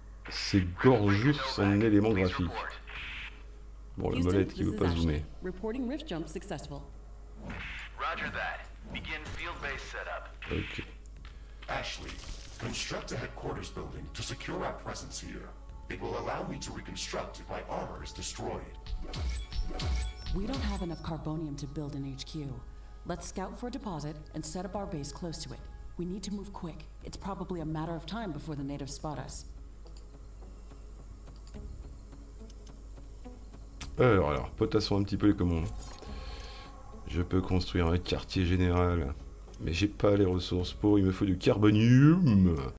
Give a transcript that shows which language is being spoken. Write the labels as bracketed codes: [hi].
[fr] C'est Gorgeous en élément graphique. Bon, la molette qui veut pas zoomer. [en] Reporting rift jump successful. Roger that. Begin field base setup. Ok. Ashley, construct a headquarters building to secure our presence here. It will allow me to reconstruct if my armor is destroyed. We don't have enough carbonium to build an HQ. Let's scout for a deposit and set up our base close to it. We need to move quick. It's probably a matter of time before the natives spot us. [fr] Alors, potassons un petit peu les commandes. Je peux construire un quartier général, mais j'ai pas les ressources pour. Il me faut du carbonium.